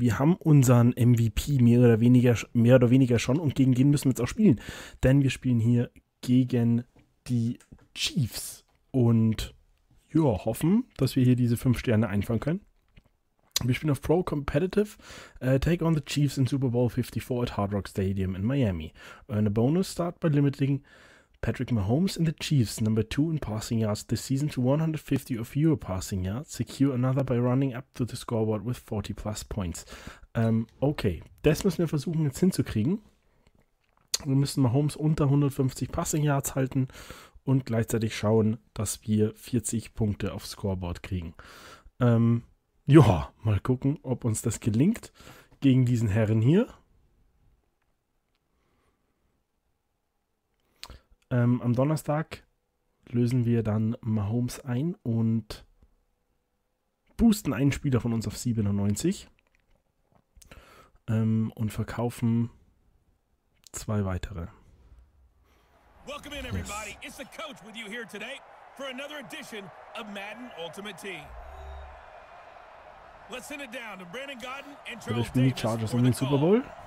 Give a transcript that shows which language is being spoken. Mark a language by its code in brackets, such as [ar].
[de] Wir haben unseren MVP mehr oder weniger schon und gegen den müssen wir jetzt auch spielen. Denn wir spielen hier gegen die Chiefs und ja, hoffen, dass wir hier diese 5 Sterne einfangen können. Wir spielen auf Pro Competitive. [en] Take on the Chiefs in Super Bowl 54 at Hard Rock Stadium in Miami. Earn a bonus start by limiting Patrick Mahomes and the Chiefs, number 2 in passing yards this season, to 150 or fewer passing yards. Secure another by running up to the scoreboard with 40 plus points. [de] Okay, das müssen wir versuchen jetzt hinzukriegen. Wir müssen Mahomes unter 150 passing yards halten und gleichzeitig schauen, dass wir 40 Punkte aufs Scoreboard kriegen. Ja, mal gucken, ob uns das gelingt gegen diesen Herren hier. Am Donnerstag lösen wir dann Mahomes ein und boosten einen Spieler von uns auf 97 und verkaufen zwei weitere. [en] Welcome in, everybody. Yes. It's the coach with you here today for another edition of Madden Ultimate Team. Let's send it down to Brandon Godden and Charles Davis for the Chargers in the Super Bowl.